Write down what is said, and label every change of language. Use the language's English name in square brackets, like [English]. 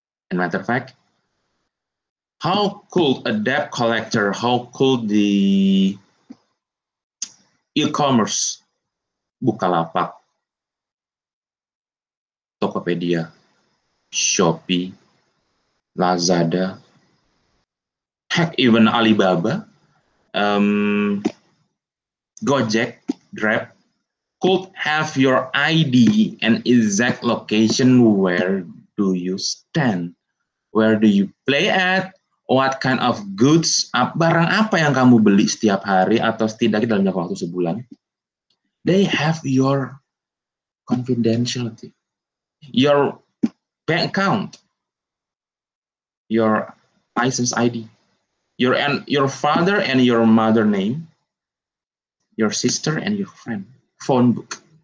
[English] And matter of fact, how could a debt collector, how could the e-commerce, Bukalapak, Tokopedia, Shopee, Lazada, heck, even Alibaba, Gojek, Grab, could have your ID and exact location? Where do you stand? Where do you play at? What kind of goods, [Indonesian] barang apa yang kamu beli setiap hari atau setidaknya dalam jangka waktu sebulan? [English] They have your confidentiality, your bank account, your license ID. Your father and your mother name, your sister and your friend, phone book.